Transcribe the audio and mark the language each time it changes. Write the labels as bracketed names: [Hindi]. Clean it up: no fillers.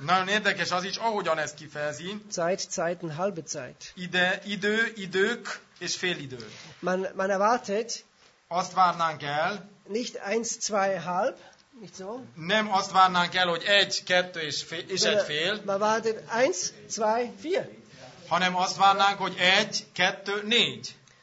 [Hungarian] Nagyon érdekes az is, ahogyan ezt kifejezi. [German] Zeit, Zeiten, halbe Zeit. [Hungarian] Idő, idők és fél idő. [German] Man erwartet. [Hungarian] Azt várnánk el. [German] Nicht eins, zwei, halb. Nicht so. [Hungarian] Nem azt várnánk el, hogy egy, kettő és egy fél. [German] Man wartet eins, zwei, vier. [Hungarian] Hanem azt várnánk, hogy egy, kettő, négy.